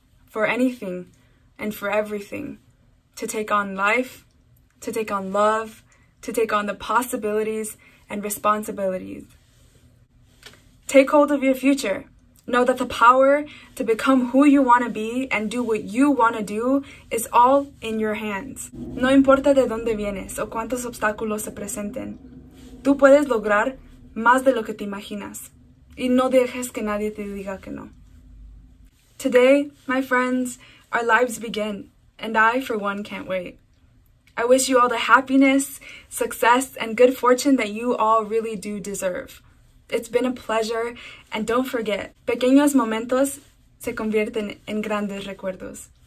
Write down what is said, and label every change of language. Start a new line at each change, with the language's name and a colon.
English: For anything and for everything. To take on life, to take on love, to take on the possibilities and responsibilities. Take hold of your future. Know that the power to become who you want to be and do what you want to do is all in your hands.
Spanish: No importa de dónde vienes o cuántos obstáculos se presenten, tú puedes lograr más de lo que te imaginas. Y no dejes que nadie te diga que no.
English: Today, my friends, our lives begin, and I, for one, can't wait. I wish you all the happiness, success, and good fortune that you all really do deserve. It's been a pleasure, and don't forget,
Spanish: pequeños momentos se convierten en grandes recuerdos.